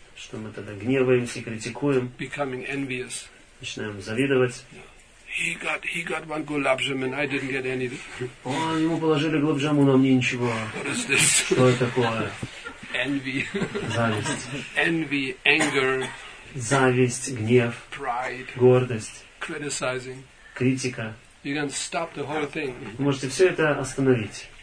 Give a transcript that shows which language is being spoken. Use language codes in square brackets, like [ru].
[ru] что мы тогда гневаемся и критикуем. [en] Becoming envious. [ru] Начинаем завидовать. [en] He got one gulab-jam and I didn't get anything. [ru] О, ему положили гулаб-джаму, но мне ничего. [en] What is this? [ru] Что это такое? [en] Envy. [ru] Зависть. [en] Envy, anger. [ru] Зависть, гнев. [en] Pride. [ru] Гордость. [en] Criticizing. [ru] Критика. [en] You can stop the whole thing. [ru] Вы можете все это остановить.